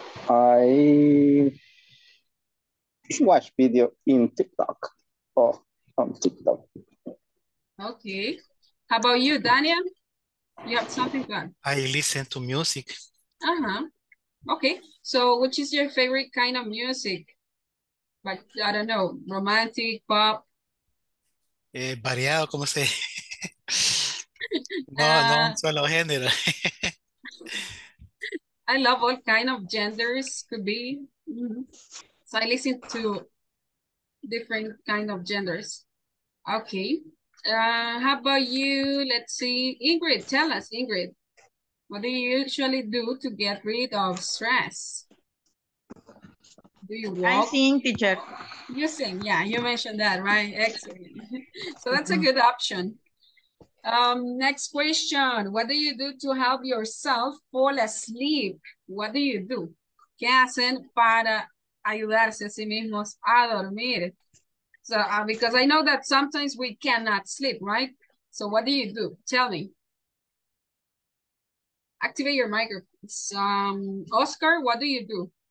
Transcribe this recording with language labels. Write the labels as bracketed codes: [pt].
[en] I watch video in TikTok or on TikTok. Okay. How about you, Daniel? You have something to add? I listen to music. Uh-huh. Okay. So which is your favorite kind of music? Like, I don't know, romantic, pop? [es] Variado, como se no, no un solo género. [en] I love all kind of genders, could be. So I listen to different kind of genders. Okay. How about you? Let's see. Ingrid, tell us, Ingrid. What do you usually do to get rid of stress? Do you walk? I sing, teacher. You sing, yeah, you mentioned that, right? Excellent. So that's a good option. Next question. What do you do to help yourself fall asleep? What do you do? [es] ¿Qué hacen para ayudarse a sí mismos a dormir? [en] So, because I know that sometimes we cannot sleep, right? So what do you do? Tell me. Activate your microphones. Oscar, what do you do?